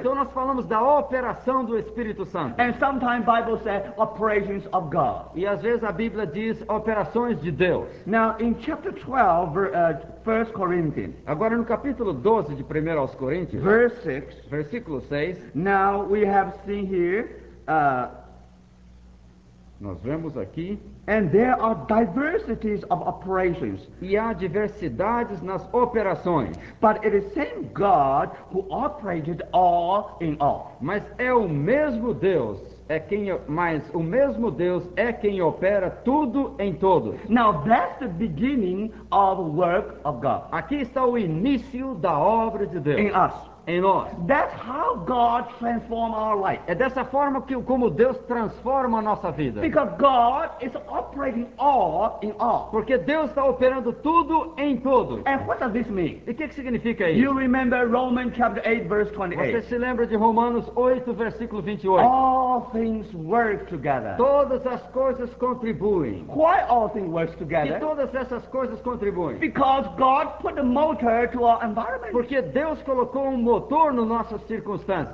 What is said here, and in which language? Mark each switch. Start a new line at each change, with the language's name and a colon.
Portuguese: Então nós falamos da operação do Espírito Santo.
English: And sometimes Bible says operations of God.
Portuguese: E às vezes a Bíblia diz operações de Deus.
English: Now in chapter 12, 1 Corinthians.
Portuguese: Agora no capítulo 12 de 1 aos Coríntios.
English: Verse 6.
Portuguese: Versículo 6.
English: Now we have seen here.
Portuguese: Nós vemos aqui.
English: And there are diversities of operations.
Portuguese: E há diversidades nas operações.
English: But it is the same God who operated all in all.
Portuguese: Mas é o mesmo Deus. Mas o mesmo Deus é quem opera tudo em todos.
English: Now that's the beginning of the work of God.
Portuguese: Aqui está o início da obra de Deus.
English: In us.
Portuguese: Em nós.
English: That's how God transforms our life.
Portuguese: É dessa forma que como Deus transforma a nossa vida.
English: Because God is operating all in all.
Portuguese: Porque Deus está operando tudo em todos.
English: And what does this mean?
Portuguese: E o que significa isso?
English: You remember Romans chapter 8 verse 28.
Portuguese: Você se lembra de Romanos 8 versículo 28?
English: All things work together.
Portuguese: Todas as coisas contribuem.
English: Why all things work together?
Portuguese: E todas essas coisas contribuem.
English: Because God put the motor to our environment.
Portuguese: Porque Deus colocou um motor no nossa circunstância.